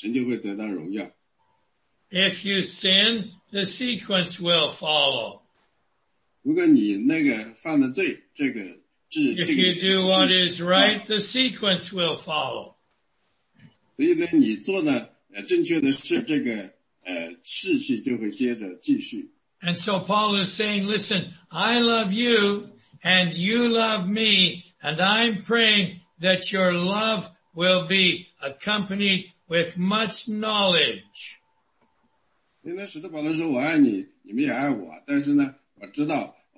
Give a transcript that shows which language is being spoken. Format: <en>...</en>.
<zh>所以呢，这个非常有趣的是，在神里面它是有个秩序的。你做一件事，然后下面下面接着做，这下是接着做。然后你如果按照这个秩序来，神就会得到荣耀。</zh> <en>If you sin, the sequence will follow.</en> <zh>如果你那个犯了罪，这个秩序。</zh> <en>If you do what is right, the sequence will follow.</en> <zh>所以呢，你做呢正确的事，这个秩序就会接着继续。</zh> <en>And so Paul is saying, listen, I love you, and you love me, and I'm praying that your love will be accompanied with much knowledge.</en> <zh>因为使徒保罗说，我爱你，你们也爱我，但是呢，我知道。</zh>